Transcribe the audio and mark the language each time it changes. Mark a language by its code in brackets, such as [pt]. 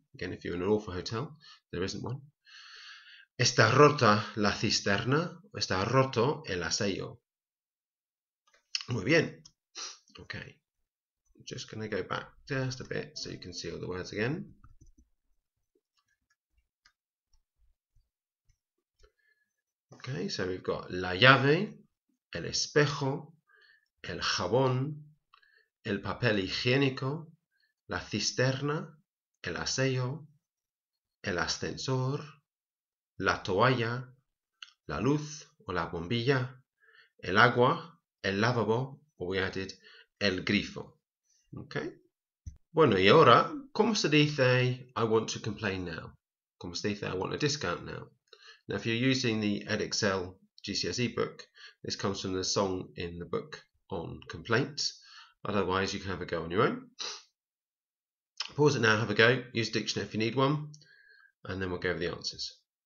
[en] Again, if you're in an awful hotel, there isn't one. [es] Está rota la cisterna. Está roto el aseo. Muy bien. Okay. [en] I'm just going to go back just a bit so you can see all the words again. Okay, so we've got [es] la llave, el espejo, el jabón, el papel higiénico, la cisterna, el aseo, el ascensor, la toalla, la luz o la bombilla, el agua, el lavabo, [en] or we added, [es] el grifo. Okay. Bueno, y ahora, ¿cómo se dice [en] I want to complain now? [es] ¿Cómo se dice [en] I want a discount now? Now, if you're using the Edexcel GCSE book, this comes from the song in the book on complaints. Otherwise, you can have a go on your own. Pause it now, have a go. Use dictionary if you need one. And then we'll go over the answers.